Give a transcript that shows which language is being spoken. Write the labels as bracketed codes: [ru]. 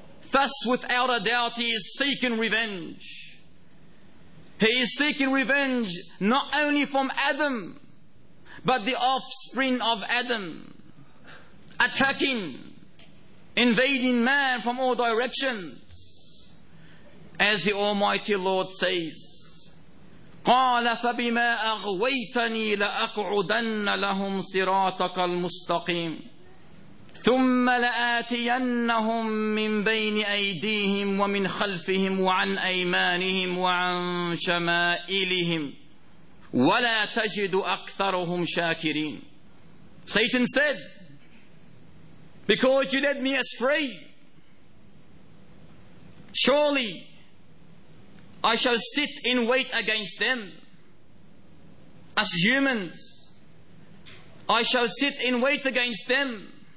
[en] Thus, without a doubt, he is seeking revenge. He is seeking revenge not only from Adam, but the offspring of Adam, attacking, invading man from all directions. As the Almighty Lord says, [ar] قَالَ فَبِمَا أَغْوَيْتَنِي لَأَقْعُدَنَّ لَهُمْ صِرَاطَكَ الْمُسْتَقِيمِ ثُمَّ لَآتِيَنَّهُمْ مِنْ بَيْنِ أَيْدِيهِمْ وَمِنْ خَلْفِهِمْ وَعَنْ أَيْمَانِهِمْ وَعَنْ شَمَائِلِهِمْ وَلَا تَجِدُ أَكْثَرُهُمْ شَاكِرِينَ. [en] Satan said, because you led me astray, surely I shall sit in wait against them. As humans, I shall sit in wait against them.